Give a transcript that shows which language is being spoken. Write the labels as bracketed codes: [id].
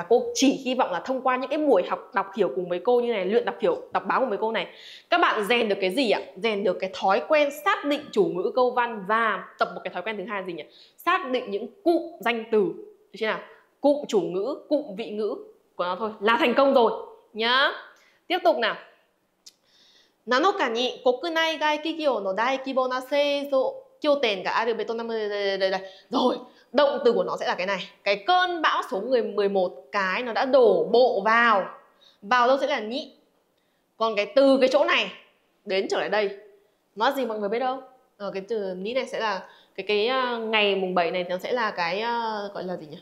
[vi] Và cô chỉ hy vọng là thông qua những cái buổi học đọc hiểu cùng với cô như này, luyện đọc hiểu, đọc báo cùng với cô này, các bạn rèn được cái gì ạ? Rèn được cái thói quen xác định chủ ngữ câu văn. Và tập một cái thói quen thứ hai là gì nhỉ? Xác định những cụm danh từ, được chưa nào? Cụm chủ ngữ, cụm vị ngữ của nó thôi là thành công rồi nhá. Tiếp tục nào. [ja] 7日 に国内外企業の大規模な製造拠点があるベトナム。 [vi] Rồi, động từ của nó sẽ là cái này. Cái cơn bão số 11 cái nó đã đổ bộ vào. Vào đâu sẽ là nhị. Còn cái từ cái chỗ này đến trở lại đây. Nó gì mọi người biết không? Cái từ nhị này sẽ là cái ngày mùng 7 này, nó sẽ là cái gọi là gì nhỉ?